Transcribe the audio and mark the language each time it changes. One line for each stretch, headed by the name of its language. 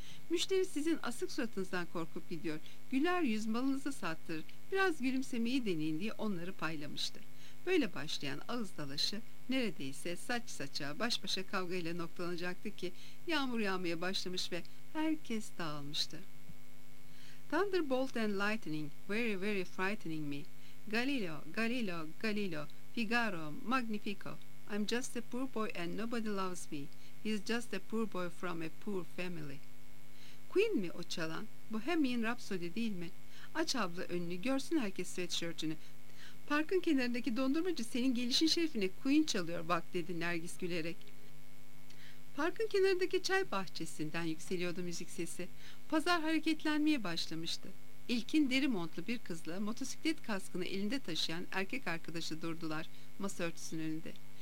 Turkish: Müşteri sizin asık suratınızdan korkup gidiyor. Güler yüz malınızı sattırır. Biraz gülümsemeyi deneyin diye onları paylamıştı. Böyle başlayan ağız dalaşı neredeyse saç saça baş başa kavgayla noktalanacaktı ki yağmur yağmaya başlamış ve herkes dağılmıştı.
English: Thunderbolt and lightning, very very frightening me. Galileo, Galileo, Galileo, Figaro, Magnifico. I'm just a poor boy and nobody loves me. He's just a poor boy from a poor family.
Turkish: Queen mi o çalan? Bohemian Rhapsody değil mi? Aç abla önünü, görsün herkes sweatshirtini. Parkın kenarındaki dondurmacı senin gelişin şerefine Queen çalıyor bak, dedi Nergis gülerek. Parkın kenarındaki çay bahçesinden yükseliyordu müzik sesi. Pazar hareketlenmeye başlamıştı. İlkin deri montlu bir kızla motosiklet kaskını elinde taşıyan erkek arkadaşı durdular masa örtüsünün önünde.